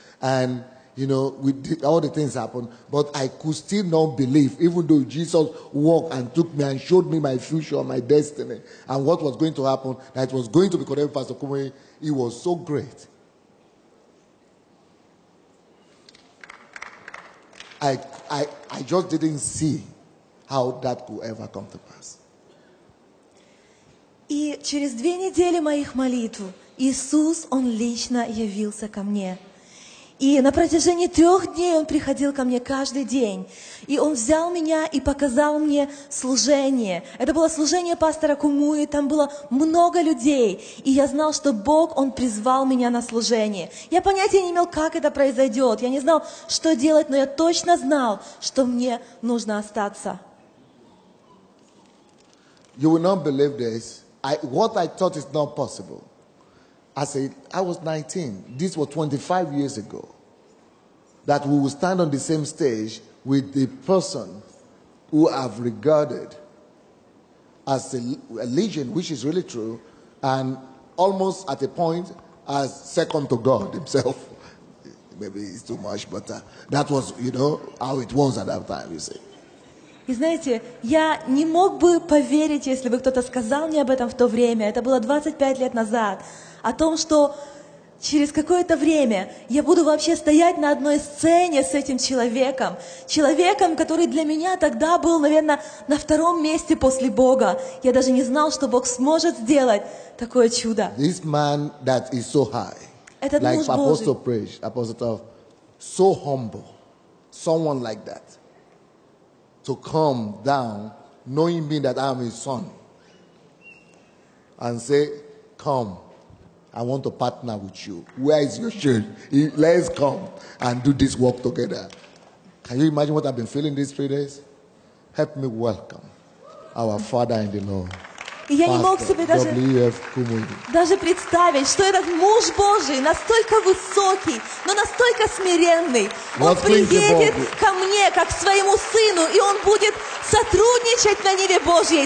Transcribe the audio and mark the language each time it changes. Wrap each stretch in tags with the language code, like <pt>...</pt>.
<en>And, you know, we did, all the things happened, but I could still not believe, even though Jesus walked and took me and showed me my future, my destiny, and what was going to happen, that it was going to be called Pastor Kumuyi. It was so great. I just didn't see how that could ever come to pass.</en> <ru>И через 2 недели моих молитв Иисус, Он лично явился ко мне. И на протяжении 3 дней Он приходил ко мне каждый день. И Он взял меня и показал мне служение. Это было служение пастора Кумуи, там было много людей. И я знал, что Бог, Он призвал меня на служение. Я понятия не имел, как это произойдет. Я не знал, что делать, но я точно знал, что мне нужно остаться.</ru> <en>You will not believe this. What I thought is not possible. I was 19. This was 25 years ago. That we will stand on the same stage with the person who I've regarded as a legend, which is really true, and almost at a point as second to God himself. Maybe it's too much, but that was, you know, how it was at that time, you see.</en> <ru>И знаете, я не мог бы поверить, если бы кто-то сказал мне об этом в то время. Это было 25 лет назад. О том, что через какое-то время я буду вообще стоять на одной сцене с этим человеком. Человеком, который для меня тогда был, наверное, на втором месте после Бога. Я даже не знал, что Бог сможет сделать такое чудо.</ru> <en>This man that is so high,</en> <ru>этот</ru> <en>like</en> <ru>муж</ru> <en>Apostle</en> <ru>Божий.</ru> <en>Preach, Apostle Tov, so humble, someone like that, to come down, knowing me that I'm his son, and say, come. I want to partner with you. Where is your church? Let's come and do this work together. Can you imagine what I've been feeling these 3 days? Help me welcome our Father in the Lord.</en> <ru>Я не мог себе даже представить, что этот муж Божий настолько высокий, но настолько смиренный. Он приедет ко мне, как к своему сыну, и он будет сотрудничать на Ниве Божьей.</ru>